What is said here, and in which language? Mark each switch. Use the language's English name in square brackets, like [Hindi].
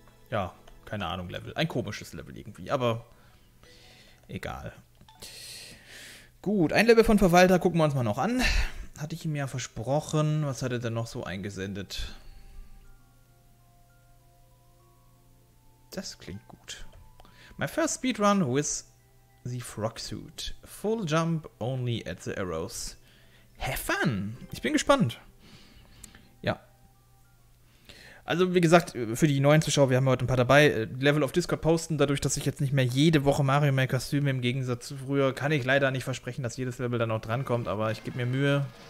[German] Ja, keine Ahnung, Level. Ein komisches Level irgendwie, aber... Egal. Gut, ein Level von Verwalter gucken wir uns mal noch an. Hatte ich ihm ja versprochen. Was hat er denn noch so eingesendet? Das klingt gut. [English] My first speedrun with the frog suit. Full jump only at the arrows. Have fun! [German] Ich bin gespannt. Ja. Also, wie gesagt, für die neuen Zuschauer, wir haben heute ein paar dabei. Level auf Discord posten, dadurch, dass ich jetzt nicht mehr jede Woche Mario Maker streame, im Gegensatz zu früher, kann ich leider nicht versprechen, dass jedes Level dann auch drankommt, aber ich gebe mir Mühe.